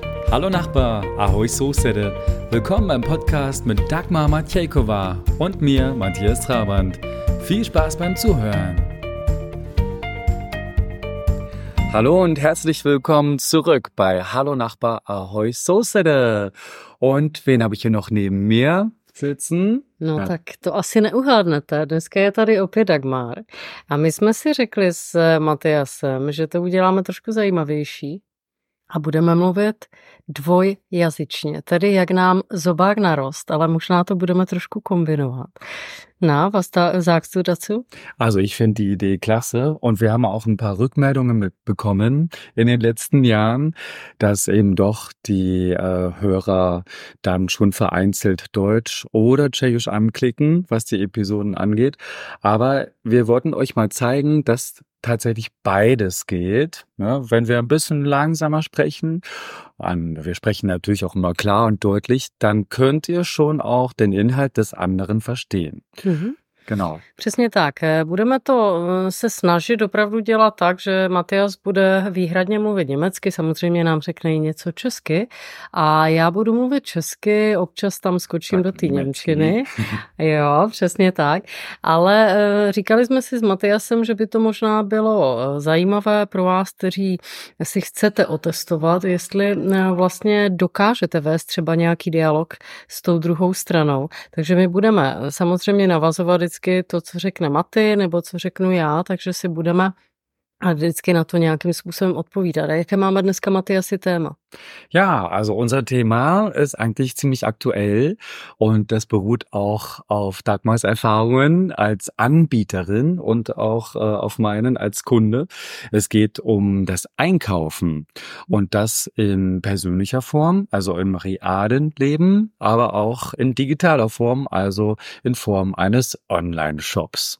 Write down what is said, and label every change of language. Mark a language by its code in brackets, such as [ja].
[de] Hallo Nachbar, ahoi Soßede. Willkommen beim Podcast mit Dagmar Matejkova und mir, Matthias Trabant. Viel Spaß beim Zuhören. Hallo und herzlich willkommen zurück bei Hallo Nachbar, ahoi Soßede. Und wen habe ich hier noch neben mir sitzen? [cs] No ja. Tak to asi neuhádnete, dneska je tady opět Dagmar. A my jsme si řekli s Matejasem, že to uděláme trošku zajímavější. A budeme mluvit dvojjazyčně, tedy jak nám zobák narost, ale možná to budeme trošku kombinovat. [de] Na, was da, sagst du dazu? Also ich finde die Idee klasse und wir haben auch ein paar Rückmeldungen mitbekommen in den letzten Jahren, dass eben doch die Hörer dann schon vereinzelt Deutsch oder Tschechisch anklicken, was die Episoden angeht. Aber wir wollten euch mal zeigen, dass tatsächlich beides geht, ne? Wenn wir ein bisschen langsamer sprechen, wir sprechen natürlich auch immer klar und deutlich, dann könnt ihr schon auch den Inhalt des anderen verstehen. [cs] Mhm. [de] Genau. [cs] Přesně tak. Budeme to se snažit opravdu dělat tak, že Matias bude výhradně mluvit německy, samozřejmě nám řekne i něco česky a já budu mluvit česky, občas tam skočím tak do té němčiny. Jo, přesně tak. Ale říkali jsme si s Matiasem, že by to možná bylo zajímavé pro vás, kteří si chcete otestovat, jestli vlastně dokážete vést třeba nějaký dialog s tou druhou stranou. Takže my budeme samozřejmě navazovat vždycky to, co řekne Maty, nebo co řeknu já, takže si budeme vždycky na to nějakým způsobem odpovídat. A jaké máme dneska, Maty, asi téma? [de] Ja, also unser Thema ist eigentlich ziemlich aktuell und das beruht auch auf Dagmars Erfahrungen als Anbieterin und auch auf meinen als Kunde. Es geht um das Einkaufen und das in persönlicher Form, also im realen Leben, aber auch in digitaler Form, also in Form eines Online-Shops.